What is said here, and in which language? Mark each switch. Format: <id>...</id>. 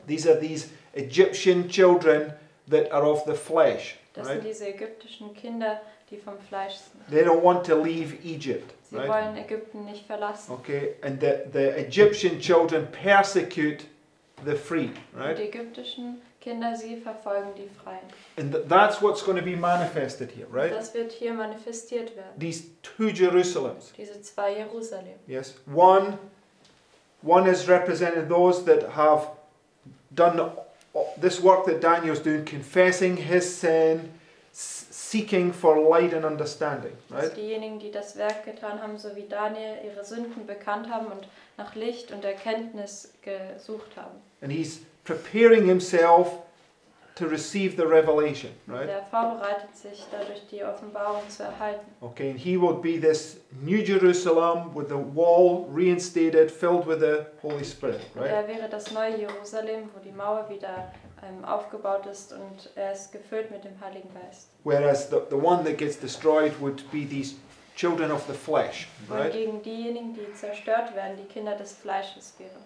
<en>These are these Egyptian children that are of the flesh,</en> <de>das</de> <en>right?</en> <de>Sind diese ägyptischen Kinder, die vom Fleisch sind.</de> <en>They don't want to leave Egypt,</en> <de>sie</de> <en>right?</en> <de>Sie wollen Ägypten nicht verlassen.</de> <en>Okay, and the Egyptian children persecute the free, right?</en> <de>Die ägyptischen Kinder, sie verfolgen die Freien.</de> <en>And that's what's going to be manifested here, right?</en> <de>Das wird hier manifestiert werden.</de> <en>These two Jerusalems.</en> <de>Diese zwei Jerusalem.</de> <en>Yes, one is representing those that have done this work that Daniel's doing, confessing his sin, seeking for light and understanding, right?</en> <de>Also diejenigen, die das Werk getan haben, so wie Daniel, ihre Sünden bekannt haben und nach Licht und Erkenntnis gesucht haben.</de> <en>And he's preparing himself to receive the revelation, right?</en> <de>Er vorbereitet sich dadurch, die Offenbarung zu erhalten.</de> <en>Okay, and he will be this New Jerusalem with the wall reinstated, filled with the Holy Spirit, right?</en> <de>Er wäre das neue Jerusalem, wo die Mauer wieder aufgebaut ist und er ist gefüllt mit dem Heiligen Geist.</de> <en>Whereas the one that gets destroyed would be these children of the flesh, right?</en> <de>Wohingegen diejenigen, die zerstört werden, die Kinder des Fleisches wären.</de>